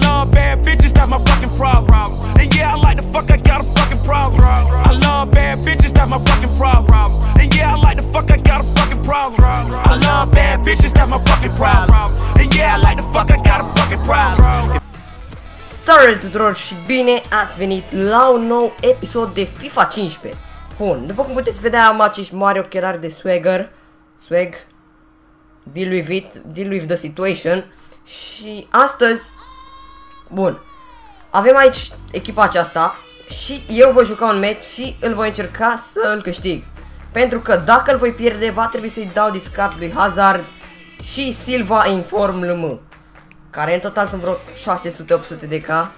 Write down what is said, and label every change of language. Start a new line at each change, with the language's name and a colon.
English: bad bitches, that's my fucking problem. And yeah, I like the fuck, I got a fucking problem. I love bad bitches, that's my fucking problem. And yeah, I like the fuck, I got a fucking problem. I love bad bitches, that's my fucking problem. And yeah, I like the fuck, I got a fucking problem.
Romanian: Stare tuturor și bine ați venit la un nou episod de FIFA 15. Bun, după cum puteți vedea, am acești mari ochelari de swagger.
English: Swag. Deal with it, deal with the situation.
Romanian: Și astăzi, bun, avem aici echipa aceasta și eu voi juca un match și îl voi încerca să îl câștig. Pentru că dacă îl voi pierde, va trebui să-i dau discard lui Hazard și Silva Inform LM, care în total sunt vreo 600-800 de K.